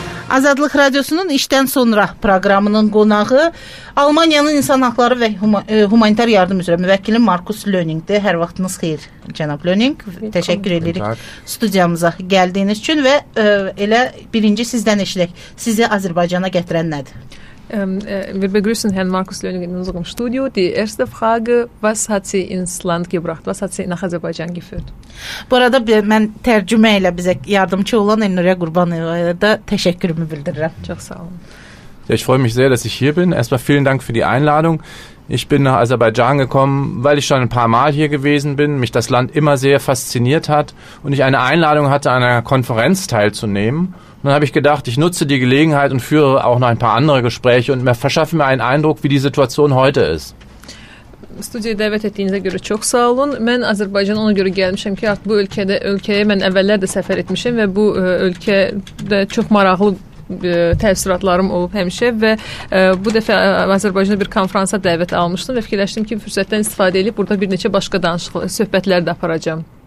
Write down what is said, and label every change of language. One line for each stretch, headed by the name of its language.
Azerbaijani: Azadlık Radyosu'nun İşdən sonra proqramının qonağı Almaniyanın insan haqları və humanitar yardım üzrə müvəkkili Markus Löningdir. Hər vaxtınız xeyir, cənab Löning. Təşəkkür edirik studiyamıza gəldiyiniz üçün və elə birinci sizdən eşidək. Sizi Azərbaycana gətirən nədir?
German: Wir begrüßen Herrn Markus Löning in unserem Studio. Die erste Frage, was hat Sie ins Land gebracht? Was hat Sie nach Azerbaijan geführt?
Azerbaijani: Bu arada mən tərcümə ilə bizə yardımcı olan Elnurə Qurbanova da təşəkkürümü bildirirəm. Çox sağ olun.
German: Ich freue mich sehr, dass ich hier bin. Erstmal vielen Dank für die Einladung. Ich bin nach Aserbaidschan gekommen, weil ich schon ein paar Mal hier gewesen bin, mich das Land immer sehr fasziniert hat und ich eine Einladung hatte, an einer Konferenz teilzunehmen. Und dann habe ich gedacht, ich nutze die Gelegenheit und führe auch noch ein paar andere Gespräche und verschaffe mir einen Eindruck, wie die Situation heute ist.
Azerbaijani: Studiyaya dəvət etdiyinizə görə çox sağ olun. Mən Azərbaycana ona görə gəlmişəm ki, artıq bu ölkədə, ölkəyə mən əvvəllər də səfər etmişəm və bu ölkədə çox maraqlı təəssüratlarım olub həmişə və bu dəfə Azərbaycana bir konfransa dəvət almışdım və fikirləşdim ki, fürsətdən istifadə edib burada bir neçə başqa söhbətlər də aparacağım.